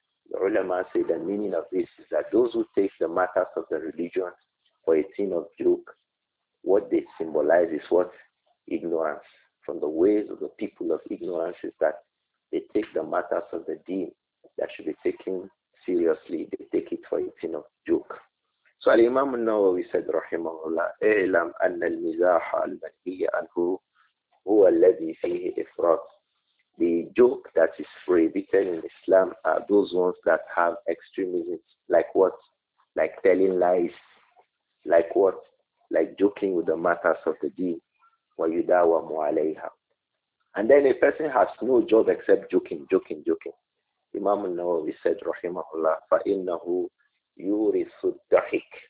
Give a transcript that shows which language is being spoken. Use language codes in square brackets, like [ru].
[en] The ulama say the meaning of this is that those who take the matters of the religion for a thing of joke, what they symbolize is what? Ignorance. From the ways of the people of ignorance is that they take the matters of the deen that should be taken seriously. They take it for a thing of joke. So al-Imam al-Nawawi said, rahimahullah, [ar] اعلم أن المزاح المنهي عنه هو الذي فيه إفراط. [en] The joke that is prohibited in Islam are those ones that have extremism. Like what? Like telling lies. Like what? Like joking with the matters of the deen. [ar] وَيُدَاوَمُ عَلَيْهَا. [en] And then a person has no job except joking. Imam al-Nawawi said, rahimahullah, [ar] فَإِنَّهُ يُورِثُ الدَّحِكُ.